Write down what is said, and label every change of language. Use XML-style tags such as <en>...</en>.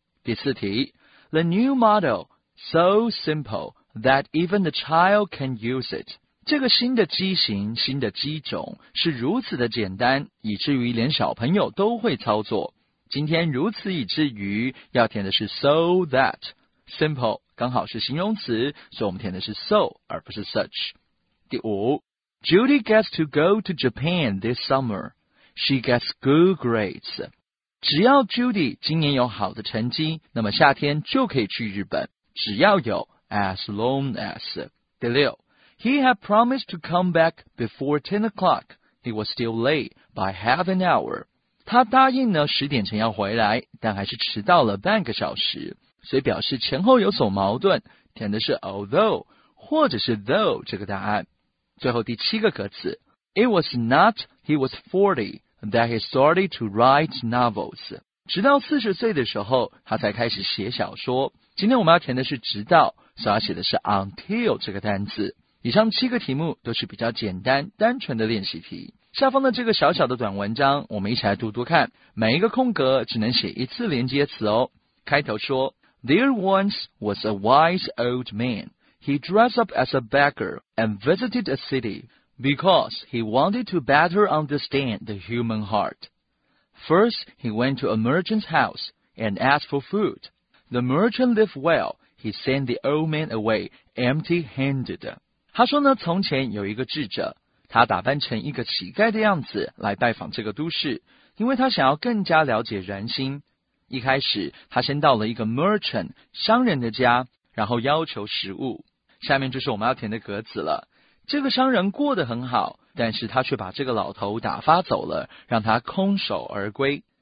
<zh>第四题，</zh> <en>The new model, so simple that even the child can use it.</en> <zh>这个新的机型、新的机种是如此的简单，以至于连小朋友都会操作。今天如此以至于要填的是 so that。 Simple 刚好是形容词，所以我们填的是 so 而不是 such。第五，</zh> <en>Judy gets to go to Japan this summer. She gets good grades.</en> <zh>只要 Judy 今年有好的成绩，那么夏天就可以去日本，只要有 as long as。第六，</zh> <en>He had promised to come back before 10 o'clock. He was still late by half an hour.</en> <zh>他答应呢十点前要回来，但还是迟到了半个小时，所以表示前后有所矛盾，填的是 although 或者是 though 这个答案。最后第七个格子，</zh> <en>It was not he was 40 that he started to write novels.</en> <zh>直到四十岁的时候他才开始写小说。今天我们要填的是直到，所以要写的是 until 这个单字。以上七个题目都是比较简单单纯的练习题。下方的这个小小的短文章，我们一起来读读看。每一个空格只能写一次连接词哦。开头说</zh> <en>There once was a wise old man. He dressed up as a beggar and visited a city because he wanted to better understand the human heart. First, he went to a merchant's house and asked for food. The merchant lived well. He sent the old man away empty-handed.</en> <zh>他说呢，从前有一个智者，他打扮成一个乞丐的样子来拜访这个都市，因为他想要更加了解人心。一开始他先到了一个 merchant 商人的家，然后要求食物。下面就是我们要填的格子了。这个商人过得很好，但是他却把这个老头打发走了，让他空手而归。</zh>